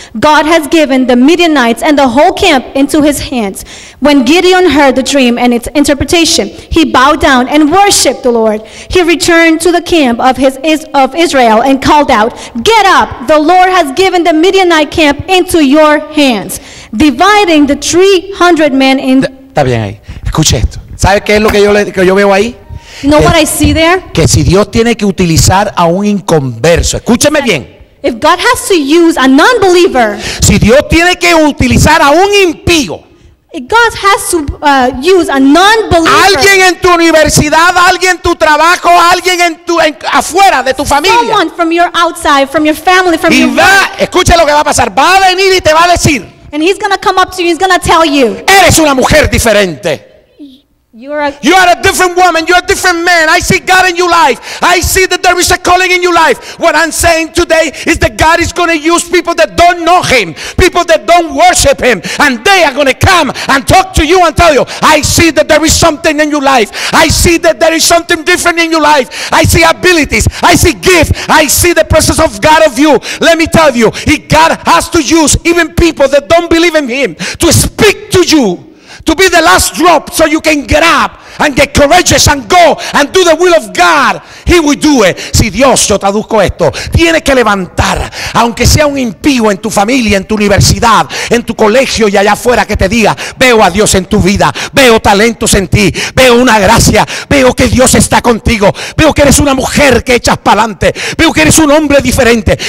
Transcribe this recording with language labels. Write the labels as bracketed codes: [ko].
[en] God has given the Midianites and the whole camp into his hands. When Gideon heard the dream and its interpretation, he bowed down and worshiped the Lord. He returned to the camp of Israel and called out, get up, the Lord has given the Midianite camp into your hands. Dividing the 300 men in... [es] Está bien ahí. Escuche esto. ¿Sabe qué es lo que yo veo ahí? [en] Know what I see there? [es] Que si Dios tiene que utilizar a un inconverso, escúcheme bien. [en] If God has to use a non-believer, [es] si Dios tiene que utilizar a un impío, [en] if God has to use a non-believer, [es] alguien en tu universidad, alguien en tu trabajo, alguien en afuera de tu familia, [en] someone from your outside, from your family, from [es] y [en] your [es] va, escuche lo que va a pasar, va a venir y te va a decir, [en] and he's gonna come up to you, he's gonna tell you, [es] eres una mujer diferente. [en] You are a different woman. You are a different man. I see God in your life. I see that there is a calling in your life. What I'm saying today is that God is going to use people that don't know Him, people that don't worship Him, and they are going to come and talk to you and tell you, I see that there is something in your life. I see that there is something different in your life. I see abilities. I see gifts. I see the presence of God of you. Let me tell you, God has to use even people that don't believe in Him to speak to you. To be the last drop so you can get up and get courageous and go and do the will of God, he will do it. [es] Si Dios, yo traduzco esto, tiene que levantar, aunque sea un impío en tu familia, en tu universidad, en tu colegio y allá afuera, que te diga: veo a Dios en tu vida, veo talentos en ti, veo una gracia, veo que Dios está contigo, veo que eres una mujer que echas para adelante, veo que eres un hombre diferente.